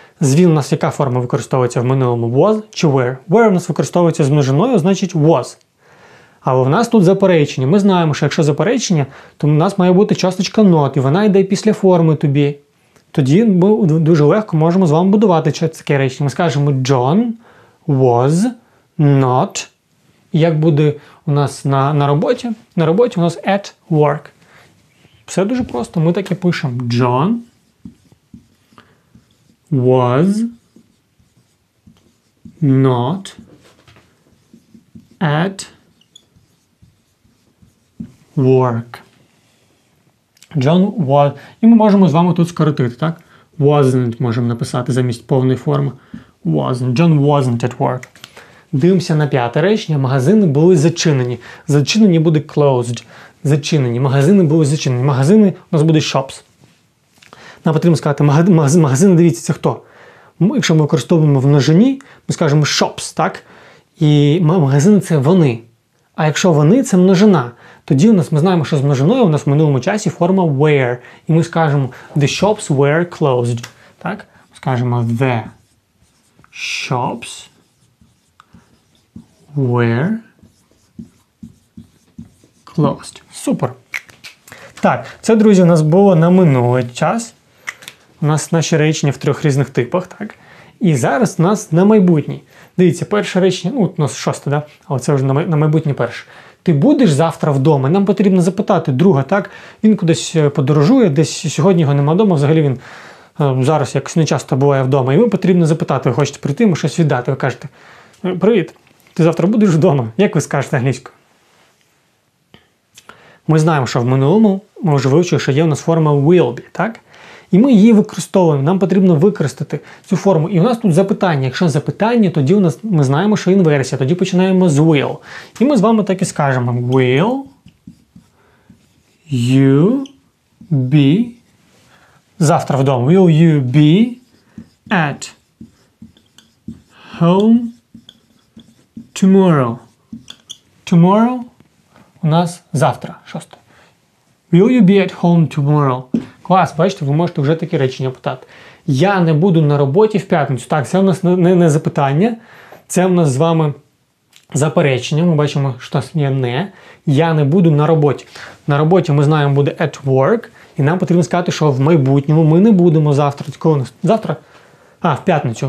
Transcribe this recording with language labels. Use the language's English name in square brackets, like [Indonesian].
[Ukrainian] З він у нас яка форма використовується в минулому? [English] Was [Ukrainian] чи [English] were? [Ukrainian] Were у нас використовується з множиною, значить was. Але в нас тут заперечення. Ми знаємо, що якщо заперечення, то у нас має бути часточка not, і вона йде після форми to be. Тоді ми дуже легко можемо з вами будувати таке речення. Ми скажемо [English] John was not. [Ukrainian] Як буде у нас на роботі? На роботі у нас at work. Все дуже просто. Ми так і пишемо. [English] John was not at work. John was... [Ukrainian] І ми можемо з вами тут скоротити, так? Wasn't можемо написати замість повної форми. [English] Wasn't. John wasn't at work. [Ukrainian] Дивимося на п'яте речення. Магазини були зачинені. Зачинені буде closed. Зачинені. Магазини були зачинені. Магазини у нас буде shops. Нам потрібно сказати, магазини, дивіться, це хто? Якщо ми використовуємо в множині, ми скажемо shops, так? І магазини це вони. А якщо вони, це множина. Тоді у нас, ми знаємо, що з множиною у нас в минулому часі форма were. І ми скажемо [English] the shops were closed. [Ukrainian] Так? Скажемо [English] the shops were closed. [Ukrainian] Супер. Так, це, друзі, у нас було на минулий час. У нас наші речення в трьох різних типах, так? І зараз у нас на майбутнє. Дивіться, перше речення, ну, у нас шосте, да? Але це вже на майбутнє перше. Ти будеш завтра вдома? Нам потрібно запитати друга, так? Він кудись подорожує, десь сьогодні його нема вдома, взагалі він зараз якось не часто буває вдома. І ми потрібно запитати, ви хочете прийти, йому щось віддати. Ви кажете, привіт. Ти завтра будеш вдома? Як ви скажете англійською? Ми знаємо, що в минулому ми вже вивчили, що є у нас форма will be, так? і ми її використовуємо. Нам потрібно використати цю форму. І у нас тут запитання. Якщо запитання, тоді у нас ми знаємо, що інверсія. Тоді починаємо з will. [English] І ми з вами так і скажемо: will you be [Ukrainian] завтра вдома? [English] Will you be at home tomorrow? [Ukrainian] Tomorrow у нас завтра, шосте. [English] Will you be at home tomorrow? [Ukrainian] Клас, бачите, ви можете вже такі речення питати. Я не буду на роботі в п'ятницю. Так, це у нас не запитання, це у нас з вами заперечення. Ми бачимо, що у нас є не. Я не буду на роботі. На роботі, ми знаємо, буде at work. І нам потрібно сказати, що в майбутньому ми не будемо завтра. Коли у нас? Завтра? А, в п'ятницю.